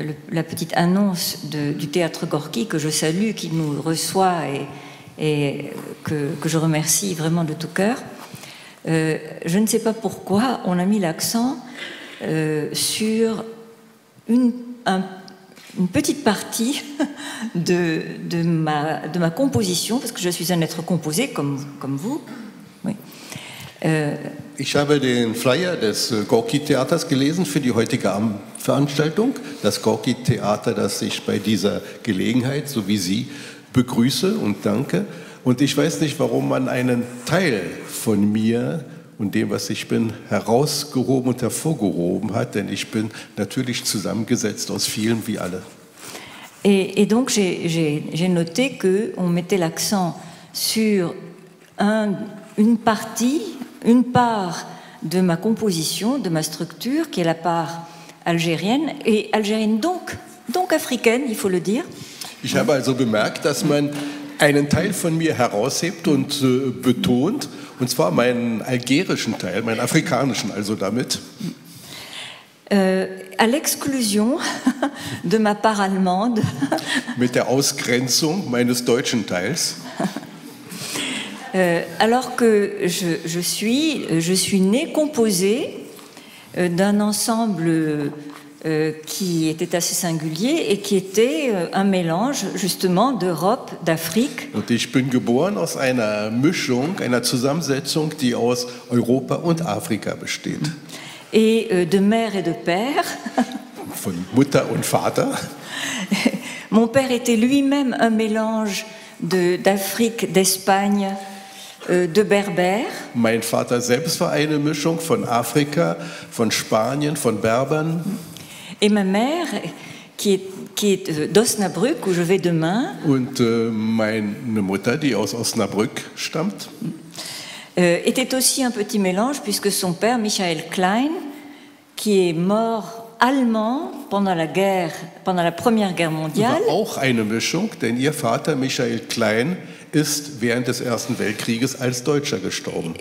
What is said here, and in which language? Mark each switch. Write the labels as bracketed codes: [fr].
[fr] la petite annonce du théâtre Gorki, que je salue, qui nous reçoit et que je remercie vraiment de tout cœur, je ne sais pas pourquoi on a mis l'accent sur une petite partie de ma composition, parce que je suis un être composé comme vous. Oui. [de] Ich habe den Flyer des Gorki-Theaters gelesen für die heutige Veranstaltung. Das Gorki-Theater, das ich bei dieser Gelegenheit, so wie Sie, begrüße und danke. Und ich weiß nicht, warum man einen Teil von mir und dem, was ich bin, herausgehoben und hervorgehoben hat, denn ich bin natürlich zusammengesetzt aus vielen wie alle. [fr] Et donc j'ai noté que on mettait l'accent sur une partie, une part de ma composition, de ma structure, qui est la part algérienne et algérienne donc africaine, il faut le dire. [de] Ich habe also bemerkt, dass man einen Teil von mir heraushebt und betont, und zwar meinen algerischen Teil, meinen afrikanischen, also damit. [fr] À l'exclusion de ma part allemande. [de] Mit der Ausgrenzung meines deutschen Teils. [fr] Alors que je suis née composée d'un ensemble qui était assez singulier et qui était un mélange justement d'Europe, d'Afrique. [de] Und ich bin geboren aus einer Mischung, einer Zusammensetzung, die aus Europa und Afrika besteht. [fr] Et de mère et de père. [de] Von Mutter und Vater. [fr] Mon père était lui-même un mélange d'Afrique, d'Espagne, de Berbère. [de] Mein Vater selbst war eine Mischung von Afrika, von Spanien, von Berbern. [fr] Et ma mère, qui est d'Osnabrück, où je vais demain. [de] Und meine Mutter, die aus Osnabrück stammt, [fr] était aussi un petit mélange, puisque son père, Michael Klein, qui est mort allemand pendant la Première Guerre mondiale. [de] War auch eine Mischung, denn ihr Vater, Michael Klein, ist während des Ersten Weltkrieges als Deutscher gestorben.